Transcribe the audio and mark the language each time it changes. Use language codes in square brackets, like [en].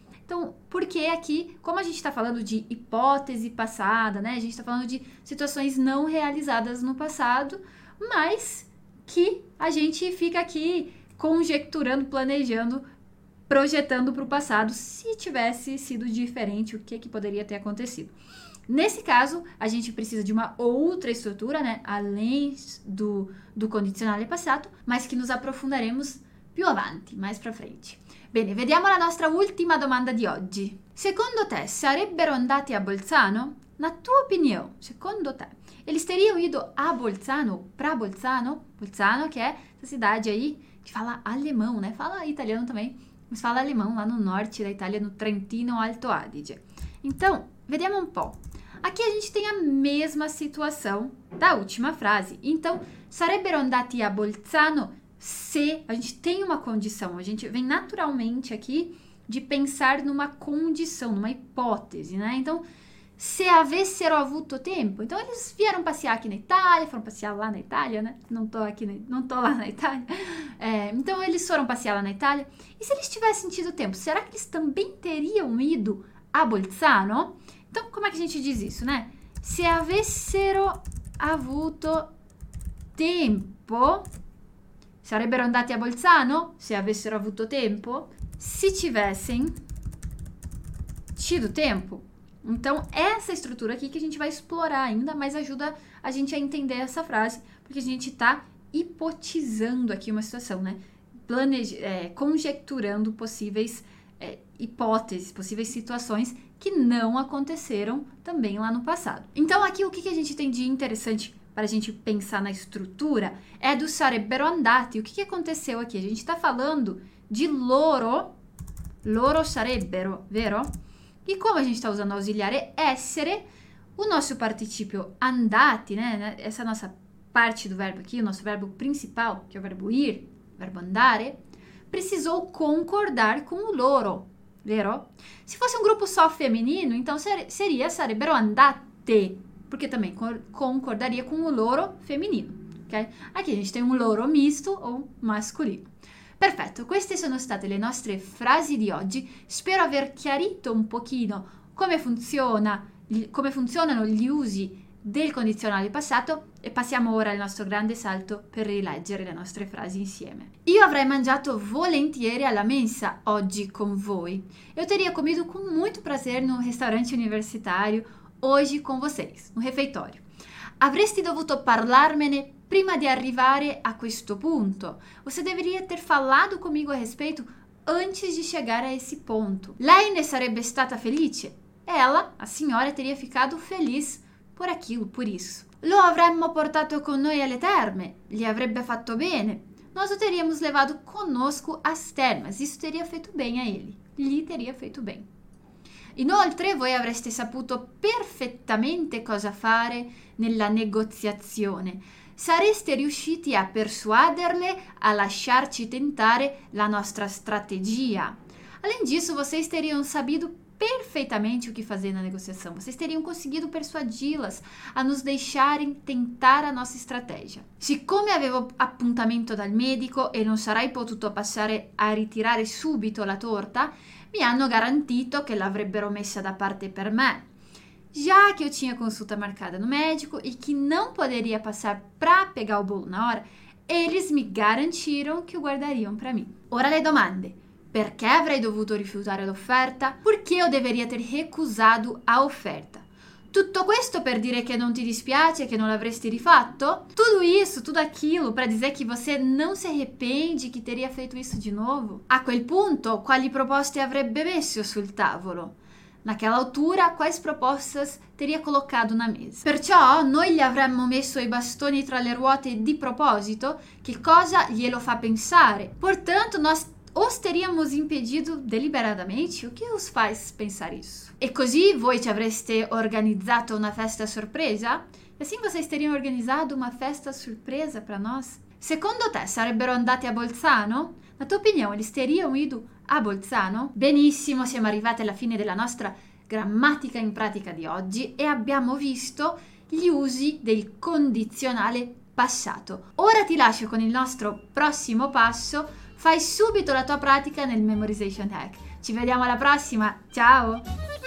[pt] Então, porque aqui, como a gente está falando de hipótese passada, né, a gente está falando de situações não realizadas no passado, mas que a gente fica aqui conjecturando, planejando, projetando para o passado, se tivesse sido diferente, o que que poderia ter acontecido? Nesse caso, a gente precisa de uma outra estrutura, né? Além do condizionale passato, mas que nos aprofundaremos [it] più avanti, [pt] mais para frente. [it] Bene, vediamo la nostra ultima domanda di oggi. Secondo te, sarebbero andati a Bolzano? [pt] Na tua [it] opinione, secondo te, [pt] eles teriam ido a Bolzano, pra Bolzano? Bolzano, [it] che è questa [pt] cidade aí che fala alemão, né? Fala italiano também. Mas fala alemão lá no norte da Itália, no Trentino Alto Adige. Então, [it] vediamo [pt] um po'. Aqui a gente tem a mesma situação da última frase. Então, [it] sarebbero andati a Bolzano se. [pt] A gente tem uma condição, a gente vem naturalmente aqui de pensar numa condição, numa hipótese, né? Então, [it] se avessero avuto tempo. [pt] Então, eles vieram passear aqui na Itália, foram passear lá na Itália, né? Não tô aqui, não tô lá na Itália. É, então, eles foram passear lá na Itália. E se eles tivessem tido tempo, será que eles também teriam ido a Bolzano? Então, como é que a gente diz isso, né? [it] Se avessero avuto tempo, sarebbero andati a Bolzano? Se avessero avuto tempo? [pt] Se tivessem tido tempo? Então, essa estrutura aqui que a gente vai explorar ainda, mas ajuda a gente a entender essa frase, porque a gente está hipotizando aqui uma situação, né? Conjecturando possíveis hipóteses, possíveis situações que não aconteceram também lá no passado. Então, aqui o que que a gente tem de interessante para a gente pensar na estrutura é do [it] sarebbero andati. [pt] O que que aconteceu aqui? A gente está falando de loro, [it] loro sarebbero, vero? [pt] E como a gente está usando ausiliare essere, o nosso participio andati, né? Essa nossa parte do verbo aqui, o nosso verbo principal, que é o verbo ir, verbo andare, precisou concordar com o loro, vero? Se fosse um grupo só feminino, então [it] sarebbero andate, [pt] porque também concordaria com o loro feminino, ok? Aqui a gente tem um loro misto ou masculino. [it] Perfetto, queste sono state le nostre frasi di oggi. Spero aver chiarito un pochino come funzionano gli usi del condizionale passato e passiamo ora al nostro grande salto per rileggere le nostre frasi insieme. Io avrei mangiato volentieri alla mensa oggi con voi. [pt] Eu teria comido com muito prazer no restaurante universitário hoje com vocês, no refeitório. [it] Avresti dovuto parlarmene prima di arrivare a questo punto, [pt] você deveria ter falado comigo a respeito antes de chegar a esse ponto. [it] Lei ne sarebbe stata felice? [pt] Ela, a senhora, teria ficado feliz por aquilo, por isso. [it] Lo avremmo portato con noi alle terme, gli avrebbe fatto bene. [pt] Nós o teríamos levado conosco às termas, isso teria feito bem a ele, lhe teria feito bem. [it] Inoltre, voi avreste saputo perfettamente cosa fare nella negoziazione. Sareste riusciti a persuaderle a lasciarci tentare la nostra strategia. [pt] Além disso, vocês teriam sabido perfeitamente o que fazer na negociação. Vocês teriam conseguido persuadi-las a nos deixarem tentar a nossa estratégia. [it] Siccome avevo appuntamento dal medico e non sarei potuto passare a ritirare subito la torta, mi hanno garantito che l'avrebbero messa da parte per me. [pt] Já que eu tinha consulta marcada no médico e que não poderia passar para pegar o bolo na hora, eles me garantiram que o guardariam para mim. [it] Ora le domande. Perché avrei dovuto rifiutare l'offerta? [pt] Perché io deveria ter recusato a offerta? [it] Tutto questo per dire che non ti dispiace, che non l'avresti rifatto? [pt] Tudo isso, tudo aquilo, para dizer que você não se arrepende, que teria feito isso de novo? [it] A quel punto, quali proposte avrebbe messo sul tavolo? [pt] Naquela altura, quais propostas teria colocado na mesa? [it] Perciò, noi gli avremmo messo i bastoni tra le ruote di proposito, che cosa glielo fa pensare? [pt] Portanto, nós os teríamos impedido deliberadamente? O que os faz pensar isso? [it] E così voi ci avreste organizzato una festa sorpresa? [pt] E assim vocês teriam [it] organizzato una festa sorpresa [pt] para nós? [it] Secondo te sarebbero andati a Bolzano? [pt] Na tua opinião, eles teriam ido a Bolzano? [it] Benissimo, siamo arrivati alla fine della nostra grammatica in pratica di oggi e abbiamo visto gli usi del condizionale passato. Ora ti lascio con il nostro prossimo passo. Fai subito la tua pratica nel Memorization Hack. Ci vediamo alla prossima. Ciao!